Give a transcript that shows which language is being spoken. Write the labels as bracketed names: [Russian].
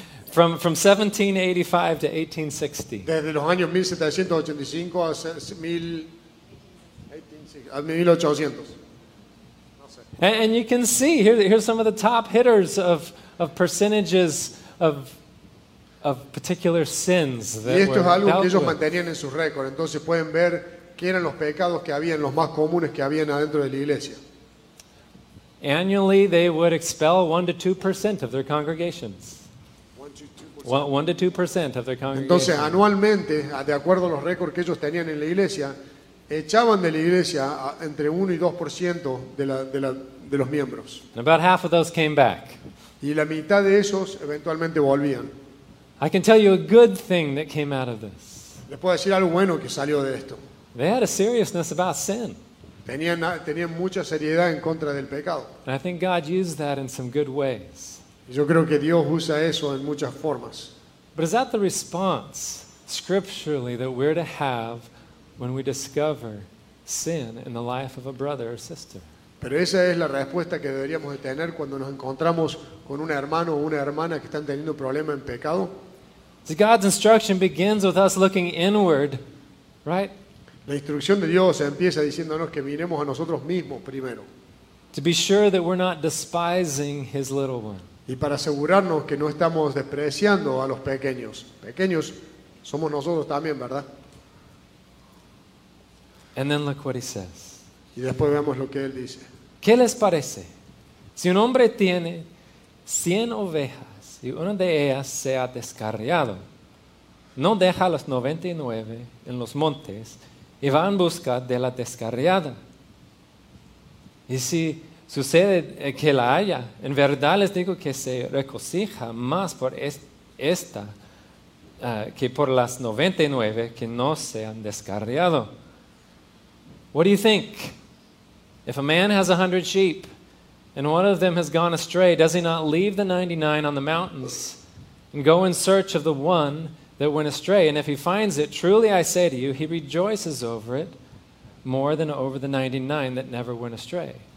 [English] from 1785 to 1860. [Spanish] Desde los años 1785 a 1800. [English] And you can see here's some of the top hitters of percentages of particular sins that [Spanish] y esto es algo que ellos mantenían en su récord. Entonces pueden ver qué eran los pecados que habían, los más comunes que habían adentro de la iglesia. [English] Annually they would expel 1-2% of their congregations. 1-2% of their congregations. [Spanish] Entonces anualmente, de acuerdo a los récords que ellos tenían en la iglesia, echaban de la iglesia entre 1 y 2% de los miembros. [English] And about half of those came back. [Spanish] Y la mitad de esos eventualmente volvían. [English] I can tell you a good thing that came out of this. [Spanish] Les puedo decir algo bueno que salió de esto. [English] They had a seriousness about sin. [Spanish] Tenían mucha seriedad en contra del pecado. [English] And I think God used that in some good ways. [Spanish] Yo creo que Dios usa eso en muchas formas. [English] But is that the response scripturally that we're to have when we discover sin in the life of a brother or sister? [Spanish] Pero esa es la respuesta que deberíamos de tener cuando nos encontramos con un hermano o una hermana que están teniendo problema en pecado. [English] See, God's instruction begins with us looking inward, right? [Spanish] La instrucción de Dios empieza diciéndonos que miremos a nosotros mismos primero. [English] To be sure that we're not despising his little one. [Spanish] Y para asegurarnos que no estamos despreciando a los pequeños. Pequeños somos nosotros también, ¿verdad? [English] And then look what he says. [Spanish] Y después vemos lo que él dice. ¿Qué les parece? Si un hombre tiene 100 ovejas y una de ellas se ha descarriado, ¿no deja las 99 en los montes y va en busca de la descarriada? Y si sucede que la haya, en verdad les digo que se regocija más por esta que por las 99 que no se han descarriado. [English] What do you think? If a man has 100 sheep and one of them has gone astray, does he not leave the 99 on the mountains and go in search of the one that went astray? And if he finds it, truly I say to you, he rejoices over it more than over the 99 that never went astray.